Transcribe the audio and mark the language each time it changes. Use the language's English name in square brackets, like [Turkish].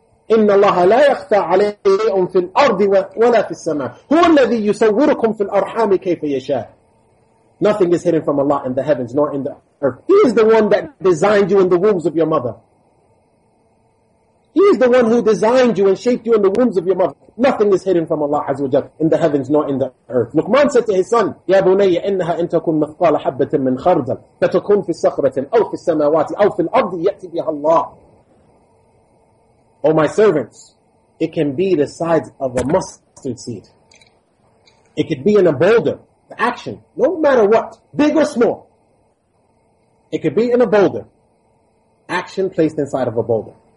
[Arabic] إِنَّ اللَّهَ لَا يَخْفَى عَلَيْهِمْ فِي الْأَرْضِ وَلَا فِي السَّمَاءِ هُوَ الَّذِي يُصَوِّرُكُمْ فِي الْأَرْحَامِ كَيْفَ يَشَاءُ. [English] Nothing is hidden from Allah in the heavens nor in the earth. He is the one that designed you in the wombs of your mother. He is the one who designed you and shaped you in the wombs of your mother. Nothing is hidden from Allah Azza wa Jalla in the heavens nor in the earth. Luqman said to his son, [Arabic] يَا بُنَيَّ إِنَّهَا إِنْ تَكُنْ مِثْقَالَ حَبَّةٍ مِّنْ خَرْدَلٍ فَتَكُنْ فِي السَّخْرَةٍ أَوْ فِي السَّمَاوَاتِ أَوْ فِي الْأَرْضِ يَأْتِ بِهَا اللَّهُ. [English] Oh my servants, it can be the size of a mustard seed. It could be in a boulder, the action, no matter what, big or small. It could be in a boulder, action placed inside of a boulder.